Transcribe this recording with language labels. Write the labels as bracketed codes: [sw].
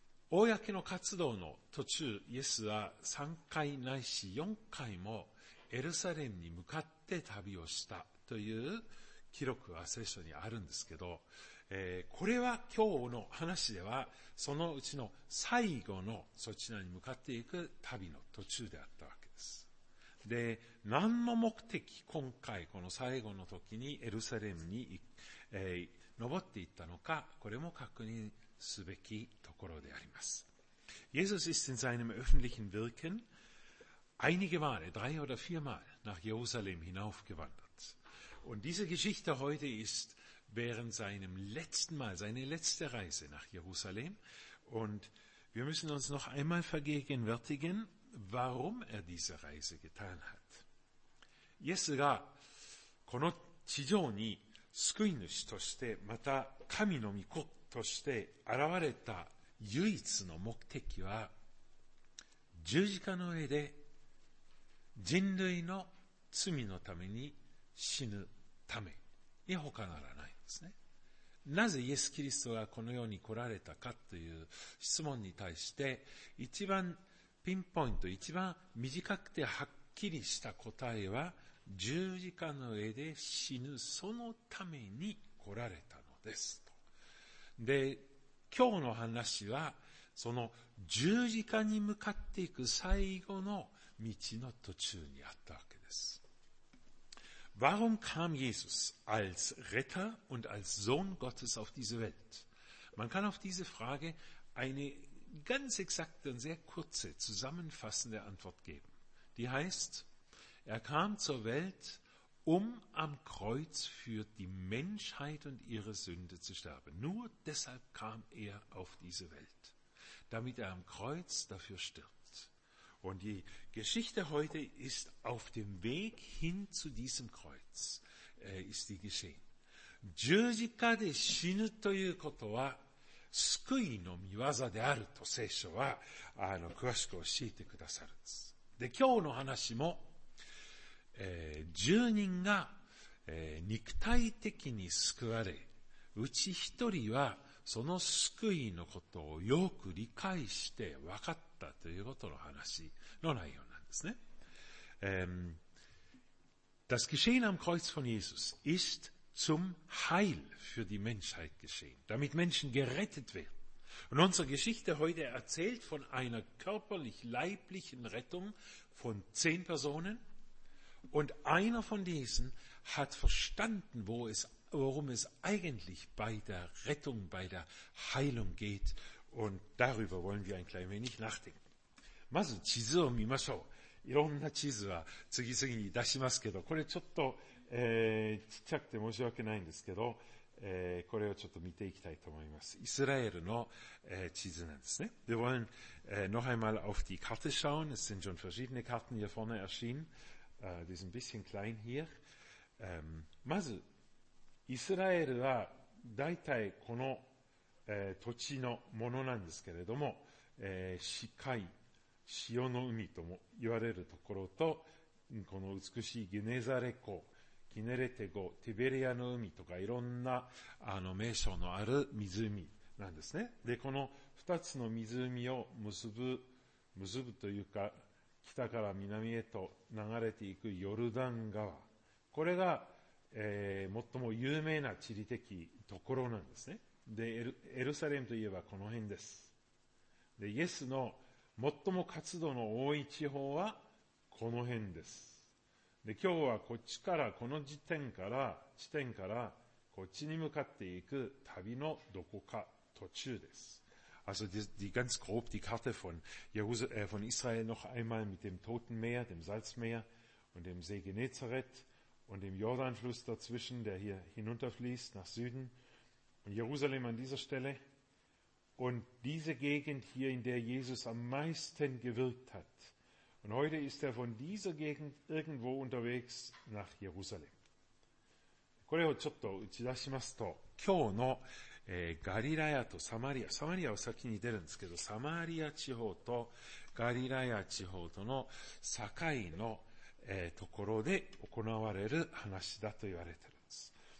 [ja] 公の活動の途中、イエスは3回ないし4回もエルサレムに向かって旅をしたという記録は聖書にあるんですけど、これは今日の話ではそのうちの最後のそちらに向かっていく旅の途中であったわけです。で、何の目的、今回この最後の時にエルサレムに、登っていったのか、これも確認すべきところであります。 [de] Jesus ist in seinem öffentlichen Wirken einige Male, drei oder viermal nach Jerusalem hinaufgewandert. Und diese Geschichte heute ist während seinem letzten Mal, seine letzte Reise nach Jerusalem. Und wir müssen uns noch einmal vergegenwärtigen, warum er diese Reise getan hat. [ja] イエスがこの地上に救い主として、また神の御子として現れた唯一の目的は、十字架の上で人類の罪のために死ぬために他ならないんですね。なぜイエス・キリストがこの世に来られたかという質問に対して、一番ピンポイント、一番短くてはっきりした答えは、十字架の上で死ぬそのために来られたのですと。で、今日の話はその十字架に向かっていく最後の道の途中にあったわけです。 [de] Warum kam Jesus als Retter und als Sohn Gottes auf diese Welt? Man kann auf diese Frage eine ganz exakte und sehr kurze, zusammenfassende Antwort geben. Die heißt, er kam zur Welt, um am Kreuz für die Menschheit und ihre Sünde zu sterben. Nur deshalb kam er auf diese Welt, damit er am Kreuz dafür stirbt. Und die Geschichte heute ist auf dem Weg hin zu diesem Kreuz, ist die geschehen. [ja] 十字架で死ぬということは救いの御業であると聖書は詳しく教えてくださるんです。で、今日の話も、十人が、肉体的に救われ、うち一人はその救いのことをよく理解して分かったということの話の内容なんですね。 [de] Das Geschehen am Kreuz von Jesus ist zum Heil für die Menschheit geschehen, damit Menschen gerettet werden. Und unsere Geschichte heute erzählt von einer körperlich-leiblichen Rettung von 10 Personen und einer von diesen hat verstanden, worum es eigentlich bei der Rettung, bei der Heilung geht. Und darüber wollen wir ein klein wenig nachdenken. [ja] Mazu 地図を見ましょう。いろんな地図は次々に出しますけど、これちょっと、ちっちゃくて申し訳ないんですけど、これをちょっと見ていきたいと思います。イスラエルの、地図なんですね。 [de] Wir wollen, noch einmal auf die Karte schauen. Es sind schon verschiedene Karten hier vorne erschienen. Die sind ein bisschen klein hier. [ja] まず、イスラエルは大体この、土地のものなんですけれども、視界、潮の海とも言われるところと、この美しいギネザレ湖、キネレテ湖、ティベリアの海とかいろんなあの名称のある湖なんですね。で、この二つの湖を結ぶというか、北から南へと流れていくヨルダン川。これが、最も有名な地理的ところなんですね。で、エルサレムといえばこの辺です。で、イエスの最も活動の多い地方はこの辺です。で、今日はこっちから、この地点からこっちに向かっていく旅のどこか途中です。 [de] Also die ganz grob die Karte von Israel noch einmal mit dem Toten Meer, dem Salzmeer und dem See Genezareth und dem Jordanfluss dazwischen, der hier hinunterfließt nach Süden und Jerusalem an dieser Stelle. Und diese Gegend hier, in der Jesus am meisten gewirkt hat. Und heute ist er von dieser Gegend irgendwo unterwegs nach Jerusalem. [ja] これをちょっと打ち出しますと、今日の、ガリラヤとサマリア、サマリアは先に出るんですけど、サマリア地方とガリラヤ地方との境の、ところで行われる話だと言われているんです。